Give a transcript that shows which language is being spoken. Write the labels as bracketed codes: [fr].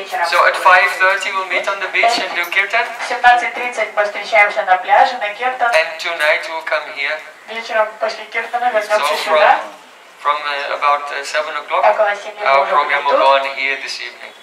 [en] So at 5:30 we'll meet on the beach and do kirtan. [ru] 17:30 мы встречаемся на пляже на киртан. [en] And tonight we'll come here. [ru] Вечером после киртана вернемся сюда. [en] From about 7 o'clock. [ru] Около 7 [en] our program will go on here this evening.